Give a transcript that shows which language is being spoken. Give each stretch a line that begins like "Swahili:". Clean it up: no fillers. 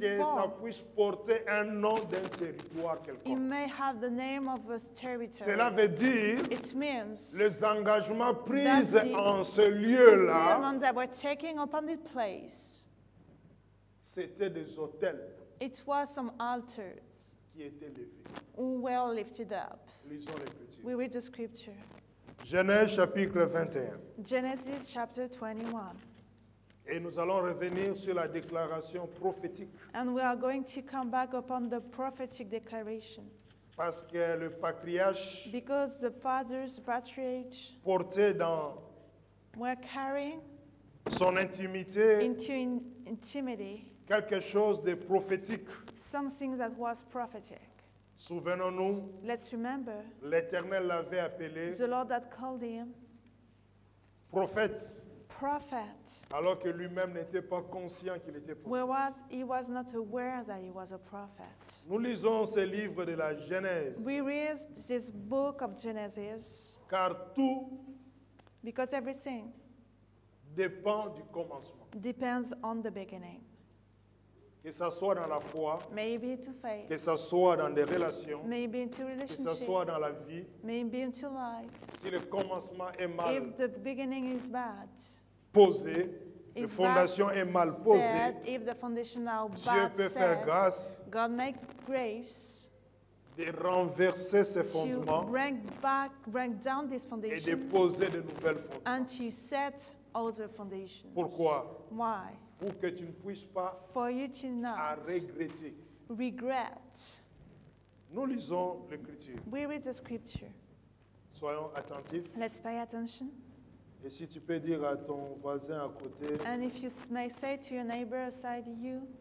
French: que ça puisse porter un nom d'un territoire quelconque.
English: It may have the name of a territory.
French: Cela veut dire
English: it means
French: les engagements pris en ce lieu-là.
English: The agreement that were taking upon the place.
French: C'était des autels.
English: It was some altars.
French: Qui étaient levés.
English: Who were lifted up.
French: Lisons l'Écriture.
English: We read the scripture.
French: Genèse chapitre 21.
English: Genesis chapter 21.
French: Et nous allons revenir sur la déclaration prophétique.
English: And we are going to come back upon the prophetic declaration.
French: Parce que le patriarche.
English: Because the father's patriarch.
French: Porté dans.
English: Were carrying.
French: Son intimité.
English: Into intimity.
French: Quelque chose de prophétique.
English: Something that was prophetic.
French: Souvenons-nous.
English: Let's remember.
French: L'Éternel l'avait appelé.
English: The Lord had called him.
French: Prophète.
English: Prophet,
French: alors que lui-même n'était pas conscient qu'il était prophète.
English: He was not aware that he was a prophet.
French: Nous lisons ce livre de la Genèse.
English: We read this book of Genesis.
French: Car tout,
English: because everything,
French: dépend du commencement.
English: Depends on the beginning.
French: Que ça soit dans la foi.
English: Maybe into faith.
French: Que ça soit dans des relations.
English: Maybe into relationship.
French: Que ça soit dans la vie.
English: Maybe into life.
French: Si le commencement est mal.
English: If the beginning is bad.
French: Posé, la fondation est mal posée.
English: Said, if the foundation are bad
French: Dieu peut
English: set,
French: faire grâce.
English: God make grace.
French: De renverser ces fondements.
English: To bring back, bring down this foundation.
French: Et de poser de nouvelles fondations.
English: And to set other foundations.
French: Pourquoi?
English: Why?
French: Pour que tu ne puisses pas.
English: For you to not.
French: À regretter.
English: Regret.
French: Nous lisons l'Écriture.
English: We read the scripture.
French: Soyons attentifs.
English: Let's pay attention.
French: Et si tu peux dire à ton voisin à côté.
English: And if you may say to your neighbor beside you.